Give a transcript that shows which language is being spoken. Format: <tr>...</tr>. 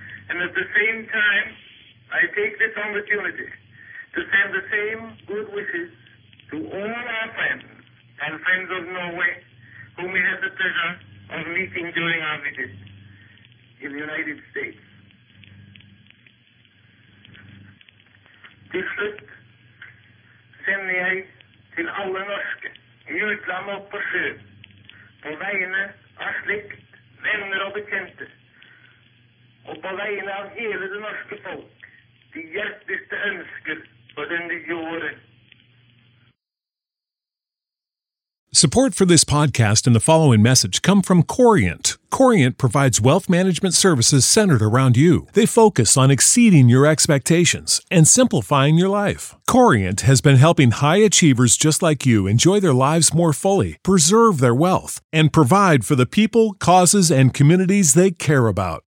<en>And at the same time, I take this opportunity to send the same good wishes to all our friends and friends of Norway, whom we had the pleasure of meeting during our visit in the United States.</en> <no>Til slutt sender jeg til alle norske i utlandet og på sjø, på vegne av slekt, venner og bekjente, og på vegne av hele det norske folk, de hjerteligste ønsker for denne jorden.</no> <en>Support for this podcast and the following message come from Corient. Corient provides wealth management services centered around you. They focus on exceeding your expectations and simplifying your life. Corient has been helping high achievers just like you enjoy their lives more fully, preserve their wealth, and provide for the people, causes, and communities they care about.</en>